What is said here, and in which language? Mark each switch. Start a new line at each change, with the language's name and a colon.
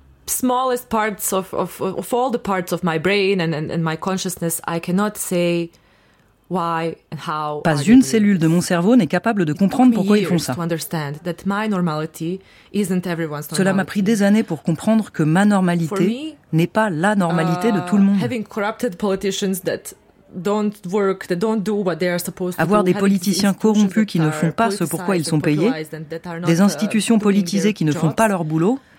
English: Smallest parts of all the parts of my brain and my consciousness, I cannot say why and how.
French: Pas une cellule de mon cerveau n'est capable de comprendre pourquoi ils font ça.
English: To understand that my normality isn't everyone's normality.
French: Cela m'a pris des années pour comprendre que ma normalité n'est pas la normalité de tout le monde.
English: Having corrupted politicians that don't work, that don't do what they are supposed to.
French: Avoir des politiciens corrompus qui ne font pas ce pour quoi ils sont payés, des institutions politisées qui ne font pas leur boulot.